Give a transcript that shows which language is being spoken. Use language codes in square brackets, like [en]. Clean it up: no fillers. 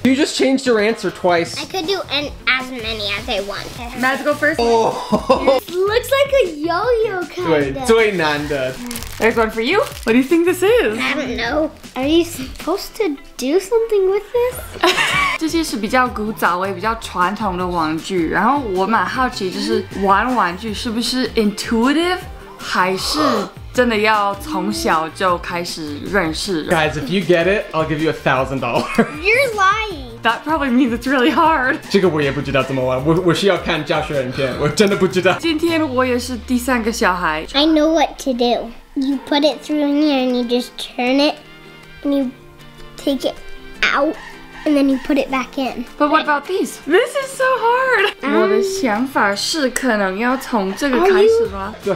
[en] You just changed your answer twice. I could do as many as I want. Mads, go first. Oh. Looks like a yo-yo kind of. Wait, [zh] 最难的。 [en] There's one for you. What do you think this is? I don't know. Are you supposed to do something with this? [zh] 这些是比较古早味、比较传统的玩具。然后我蛮好奇，就是玩玩具是不是 intuitive， 还是真的要从小就开始认识 [en] ？Guys, if you get it, I'll give you $1,000. You're lying. That probably means it's really hard. [zh] 这个我也不知道怎么玩，我需要看教学影片，我真的不知道。今天我也是第三个小孩。 [en] I know what to do. You put it through here and you just turn it and you take it out and then you put it back in. But what about these? This is so hard. [zh] 我的想法是可能要从这个开始吧。